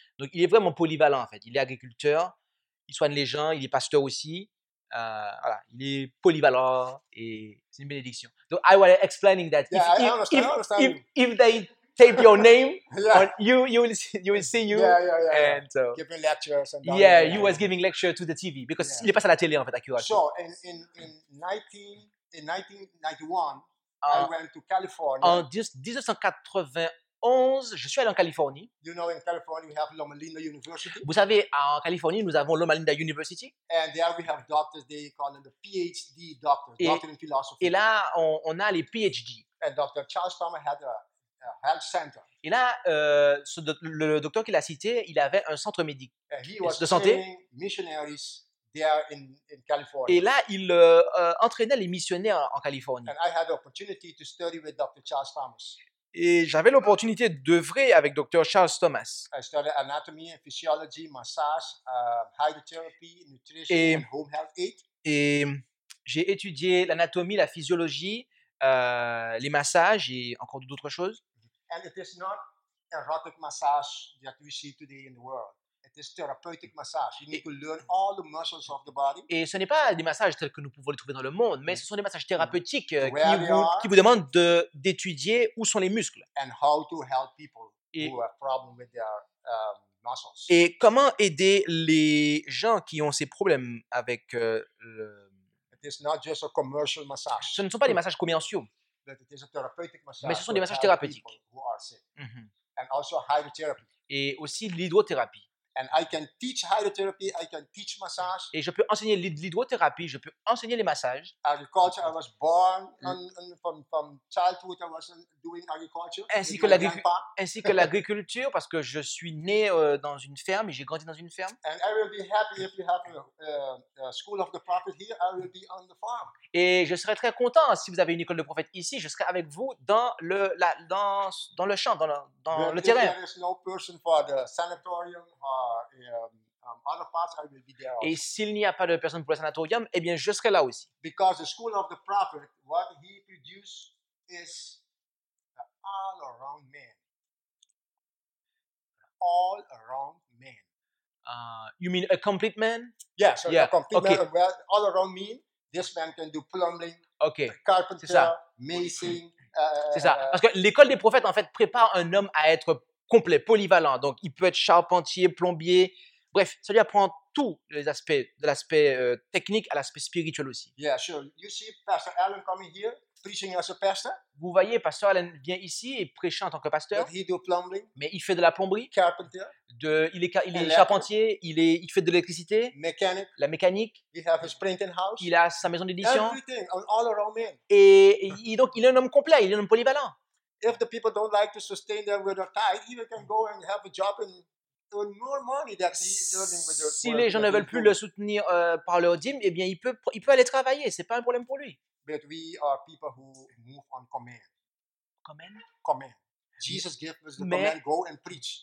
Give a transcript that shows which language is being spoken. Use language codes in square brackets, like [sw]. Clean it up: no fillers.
[fr] Donc, il est vraiment polyvalent, en fait. Il est agriculteur, il soigne les gens, il est pasteur aussi. Voilà, il est polyvalent et c'est une bénédiction. [en] Donc, I was explaining that. Yeah, if they tape your name, you will see you. Yeah, yeah, yeah. And so, giving lectures. And yeah, you was giving lecture to the TV. Because yeah. [fr] Il est passé à la télé, en fait, à Curaçao. [en] So, in 1991, I went to California. [fr] En 1991. Je suis allé en Californie. [en] You know, in California, we have Loma Linda University. [fr] Vous savez, en Californie, nous avons Loma Linda University. [en] And there we have doctors, they call them the PhD doctors, doctor in philosophy. [fr] Et là, on a les PhD. [en] And Dr. Charles Palmer had a health center. [fr] Et là, le docteur qu'il a cité, il avait un centre médical de santé. [en] Missionaries there in California. [fr] Et là, il entraînait les missionnaires en Californie. [en] And I had the opportunity to study with Dr. Charles Palmer. [fr] Et j'avais l'opportunité d'œuvrer avec Dr. Charles Thomas. [en] I studied anatomy, physiology, massage, hydrotherapy, nutrition, and home health aid. [fr] Et j'ai étudié l'anatomie, la physiologie, les massages et encore d'autres choses. [en] And it is not erotic massage that we see today in the world. It is therapeutic massage. You need to learn all the muscles of the body. [fr] Et ce n'est pas des massages tels que nous pouvons les trouver dans le monde, mais ce sont des massages thérapeutiques qui vous demandent d'étudier où sont les muscles. [en] And how to help people who have problems with their muscles. [fr] Et comment aider les gens qui ont ces problèmes avec [en] It is not just a commercial massage. [fr] Ce ne sont pas des massages commerciaux. [en] But it is a therapeutic massage. [fr] Mais ce sont des massages thérapeutiques. [en] Who are sick. Mm-hmm. And also hydrotherapy. [fr] Et aussi l'hydrothérapie. [en] And I can teach hydrotherapy, I can teach massage. [fr] Et je peux enseigner l'hydrothérapie, je peux enseigner les massages. [en] Agriculture, I was born from childhood, I was doing agriculture. [fr] Ainsi que l'agriculture, parce que je suis né dans une ferme et j'ai grandi dans une ferme. [en] And I will be happy if you have a school of the prophet here, I will be on the farm. [fr] Et je serai très content si vous avez une école de prophète ici, je serai avec vous dans le champ, dans le terrain. [en] There is no person for the sanatorium. I will be there also. [fr] Et s'il n'y a pas de personne pour le sanatorium, eh bien, je serai là aussi. [en] Because the school of the prophet, what he produces is the all-around man. All-around man. You mean a complete man? Yeah, so yeah. A complete okay. Man. Well, all-around mean, this man can do plumbing, okay. Carpenter, masoning. [fr] C'est ça. Parce que l'école des prophètes, en fait, prépare un homme à être complet, polyvalent. Donc, il peut être charpentier, plombier. Bref, ça lui apprend tous les aspects, de l'aspect technique à l'aspect spirituel aussi. [en] Yeah, sure. You see Pastor Allen coming here, preaching as a pastor. [fr] Vous voyez, Pastor Allen vient ici et prêche en tant que pasteur. [en] But he do plumbing. [fr] Mais il fait de la plomberie. [en] Carpenter. [fr] Il est charpentier. Il fait de l'électricité. [en] Mechanic. [fr] La mécanique. [en] He have his printing house. [fr] Il a sa maison d'édition. [en] Everything, all around me. [fr] Et donc, il est un homme complet. Il est un homme polyvalent. [en] If the people don't like to sustain them with their tithe, he can go and have a job and earn more money than he's earning with their tithe. [fr] Si les gens ne veulent plus le soutenir par leur dîme, eh bien, il peut aller travailler. C'est pas un problème pour lui. [en] But we are people who move on command. Command? Command. Jesus gave us the command, go and preach.